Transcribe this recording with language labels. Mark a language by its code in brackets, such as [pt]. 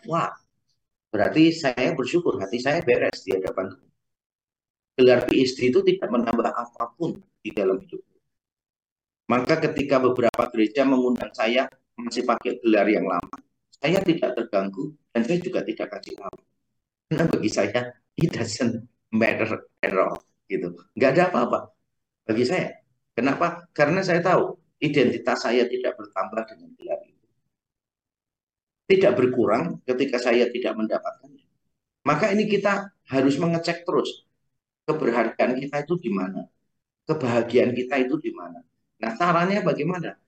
[id] Wah, berarti saya bersyukur, hati saya beres di hadapan Tuhan. Gelar PhD itu tidak menambah apapun di dalam hidup. Maka ketika beberapa gereja mengundang saya masih pakai gelar yang lama, saya tidak terganggu dan saya juga tidak kasih tahu. Karena bagi saya, [en] it doesn't matter at all. [id] Gitu. Nggak ada apa-apa bagi saya. Kenapa? Karena saya tahu identitas saya tidak bertambah dengan gelar itu. Tidak berkurang ketika saya tidak mendapatkannya. Maka ini kita harus mengecek terus keberhargaan kita itu di mana. Kebahagiaan kita itu di mana. Nah, caranya bagaimana?